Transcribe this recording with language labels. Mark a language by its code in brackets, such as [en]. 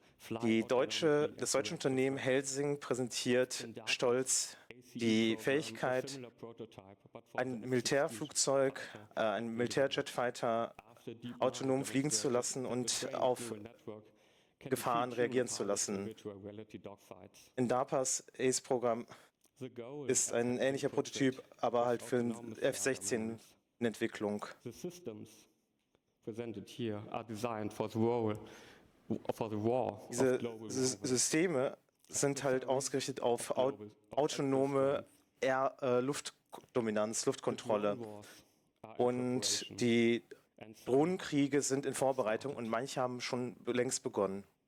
[de] Das deutsche Unternehmen Helsing präsentiert stolz die Fähigkeit, ein Militärflugzeug, ein Militärjetfighter autonom fliegen zu lassen und auf Gefahren reagieren zu lassen. In DARPA's ACE-Programm ist ein ähnlicher Prototyp, aber halt für ein F-16 in Entwicklung. [en] The systems presented here are designed for the role for the war. [de] Diese Systeme sind halt ausgerichtet auf autonome Luftdominanz, Luftkontrolle. Und die Drohnenkriege sind in Vorbereitung und manche haben schon längst begonnen.